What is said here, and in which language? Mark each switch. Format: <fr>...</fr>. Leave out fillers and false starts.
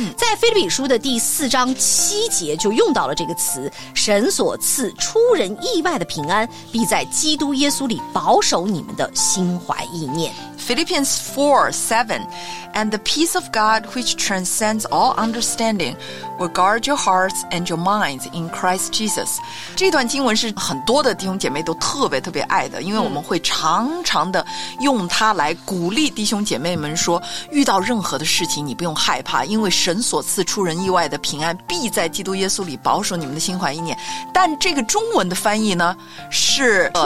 <zh>在腓立比书的第四章七节就用到了这个词，神所赐出人意外的平安必在基督耶稣里保守你们的心怀意念。</zh> <en>Philippians 4:7, And the peace of God which transcends all understanding will guard your hearts and your minds in Christ Jesus.</en> <zh>这段经文是很多的弟兄姐妹都特别特别爱的，因为我们会常常的用它来鼓励弟兄姐妹们说，遇到任何的事情你不用害怕，因为神所赐出人意外的平安必在基督耶稣里保守你们的心怀意念。但这个中文的翻译呢是</zh>